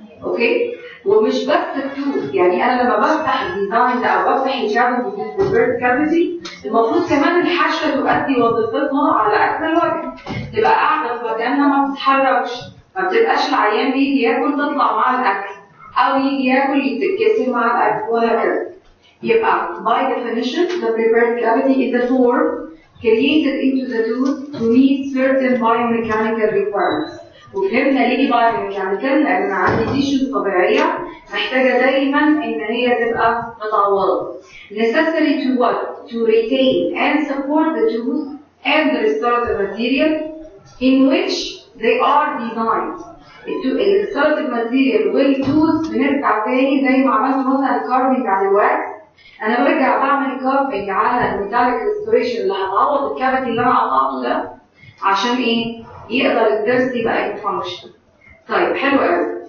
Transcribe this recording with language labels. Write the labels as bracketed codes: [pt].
[ar] اوكي؟ ومش بس التول، يعني انا لما بفتح الديزاين ده او بفتح الشامبو في البرد كافيتي المفروض كمان الحشوه تؤدي وظيفتها على اكمل الوجه، تبقى قاعده في مكانها ما بتتحركش، ما بتبقاش العيان بيجي ياكل تطلع مع الاكل، او يجي ياكل يتكسر مع الاكل وهكذا. يبقى [en] by definition the prepared cavity is a form created into the tooth to meet certain biomechanical requirements. [ar] وفهمنا ليه biomechanical؟ لان عندي تيشوز طبيعيه محتاجه دايما ان هي تبقى متعوضه. [en] Necessary to what? To retain and support the tooth and the restorative material in which they are designed. [ar] الريستورتيف ماتيريال والتوز بنرجع تاني زي ما عملت مثلا كارفنج على الواكس. انا برجع بعمل كارفنج على الميتاليك ريستوريشن اللي هتعوض الكافيتي اللي انا قطعته ده عشان ايه؟ يقدر الدرس يبقى ان فانكشن. طيب حلو قوي.